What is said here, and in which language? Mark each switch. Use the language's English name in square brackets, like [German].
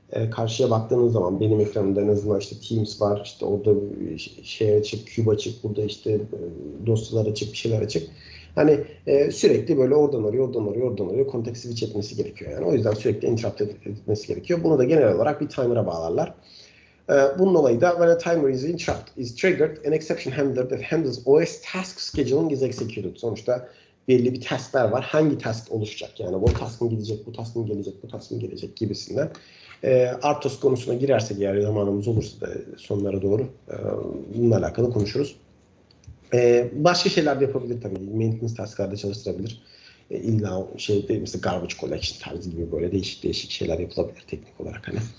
[Turkish] Karşıya baktığınız zaman benim ekranımda en azından işte Teams var, işte orada şey açık, Cube açık, burada işte dosyalar açık, bir şeyler açık. Hani sürekli böyle oradan oraya context switch etmesi gerekiyor yani. O yüzden sürekli interrupt etmesi gerekiyor. Bunu da genel olarak bir timer'a bağlarlar. Bunun olayı da [English] when a timer is interrupt is triggered, an exception handler that handles OS task scheduling is executed. [Turkish] Sonuçta belli bir taskler var. Hangi task oluşacak? Yani bu task mı gidecek, bu task mı gelecek, bu task mı gelecek gibisinden. RTOS konusuna girersek eğer zamanımız olursa da sonlara doğru bununla alakalı konuşuruz. Başka şeyler de yapabilir tabii. Maintenance task'larda çalıştırabilir. İlla şey değil, mesela garbage collection tarzı gibi böyle değişik şeyler yapılabilir teknik olarak hani.